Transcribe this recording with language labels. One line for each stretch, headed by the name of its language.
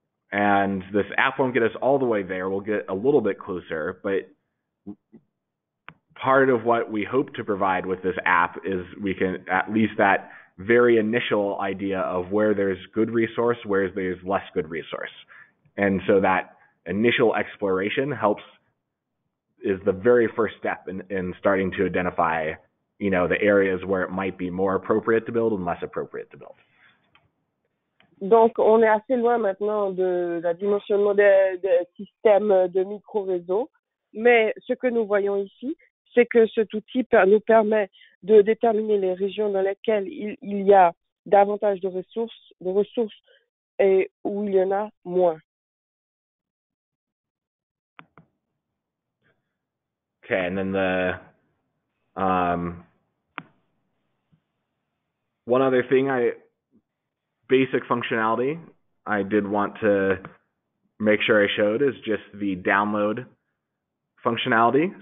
English: And this app won't get us all the way there. We'll get a little bit closer, but part of what we hope to provide with this app is we can at least that very initial idea of where there's good resource, where there's less good resource. And so that initial exploration helps is the very first step in starting to identify, you know, the areas where it might be more appropriate to build and less appropriate to build.
French: Donc, on est assez loin maintenant de la dimensionnement des systèmes de micro-réseaux. Mais ce que nous voyons ici, c'est que cet outil nous permet de déterminer les régions dans lesquelles il y a davantage de ressources et où il y en a moins.
English: Okay, and then the one other thing, basic functionality I did want to make sure I showed is just the download functionality.